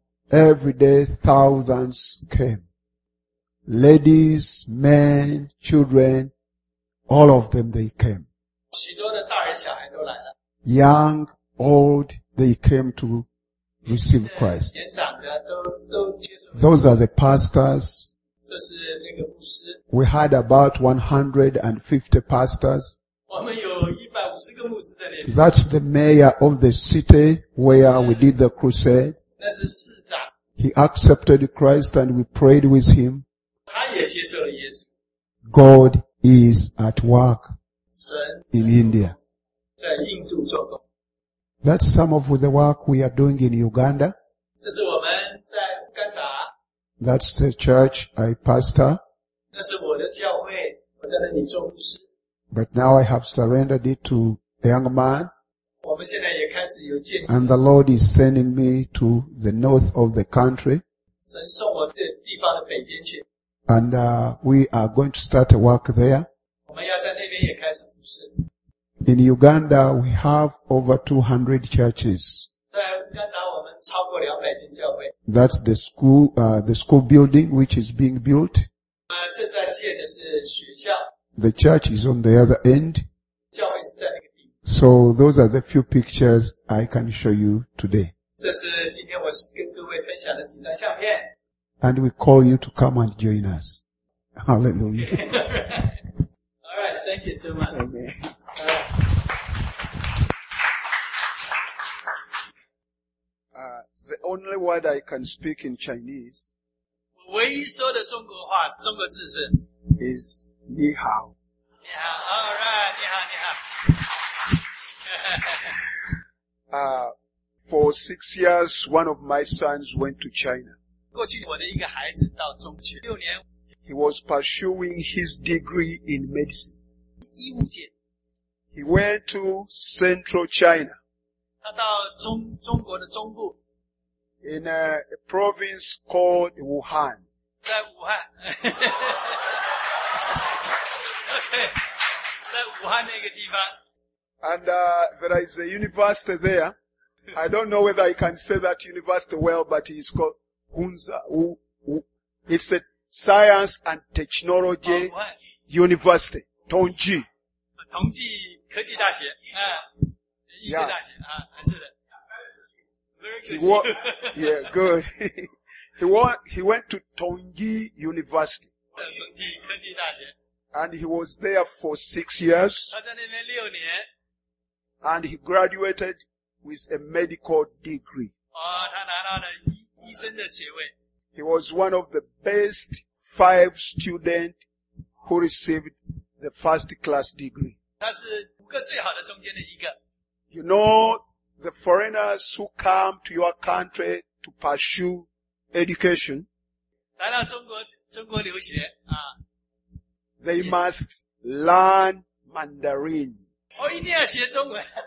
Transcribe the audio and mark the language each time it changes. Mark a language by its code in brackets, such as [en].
[en] Every day thousands came. ladies, men, children, all of them, they came. [zh] 许多的大人小孩都来了。 [en] Young, old, they came to receive Christ. [zh] 年长的都接受。 [en] Those are the pastors. [zh] 这是那个牧师。 [en] We had about 150 pastors. [zh] 我们有150个牧师在那边。 [en] That's the mayor of the city where we did the crusade. [zh] 那是市长。 [en] He accepted Christ and we prayed with him. [zh] 他也接受了耶稣。 [en] God is at work. [zh] 神在 India. 在印度做工。 [en] That's some of the work we are doing in Uganda. [zh] 这是我们在乌干达。 [en] That's the church I pastor. [zh] 那是我的教会，我在那里做牧师。 [en] But now I have surrendered it to a young man. [zh] 我们现在也开始有建立。 [en] And the Lord is sending me to the north of the country. [zh] 神送我这地方的北边去。 [en] And we are going to start a work there. [zh] 我们要在那边也开始服事。 [en] In Uganda, we have over 200 churches. [zh] 在乌干达，我们超过200间教会。 [en] That's the school building which is being built. [zh] 正在建的是学校。 [en] The church is on the other end. [zh] 教会是在那个地。 [en] So those are the few pictures I can show you today. [zh] 这是今天我跟各位分享的几张相片。 [en] And we call you to come and join us. Hallelujah. Alright, thank you so much. Amen. The only word I can speak in Chinese [zh] 我唯一说的中国话中国字是 [en] is 你好 [zh] 你好 alright 你好你好 [en] for 6 years one of my sons went to China [zh] 过去我的一个孩子到中国去六年 [en] he was pursuing his degree in medicine [zh] 医务界 [en] He went to central China. [zh] 他到中国的中部。 [en] In a province called Wuhan. [zh] 在武汉。在武汉那个地方。 [en] And there is a university there. I don't know whether I can say that university well, but it's called Hunza. It's a science and technology university. Tongji. [zh] Tongji. 科技大学，医科大学、 [en] yeah. [zh] 啊，还是的。Very [en] good. Yeah, good. He went to Tongji University. [zh] 东京科技大学。 [en] And he was there for 6 years. [zh] 他在那边六年。 [en] And he graduated with a medical degree. [zh] 哦，他拿到了医生的学位。 [en] He was one of the best 5 students who received the first class degree. [zh] 他是五个最好的中间的一个。 [en] You know, the foreigners who come to your country to pursue education, [zh] 来到中国留学啊 [en] ,they yeah. must learn Mandarin. [zh] 我一定要学中文。